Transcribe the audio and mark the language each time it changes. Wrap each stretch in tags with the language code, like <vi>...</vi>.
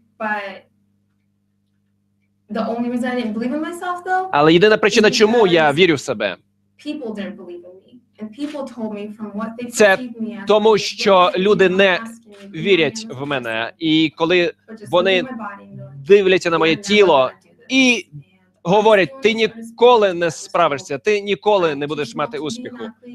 <en>But the only reason I didn't believe in myself, though,</en> <uk>але єдина причина, чому я вірю в себе,</uk> <en>people didn't believe in me. And people told me from what they</en> <uk>це тому, що люди не вірять в мене. І коли вони дивляться на моє тіло і говорять, ти ніколи не справишся, ти ніколи не будеш мати успіху.</uk>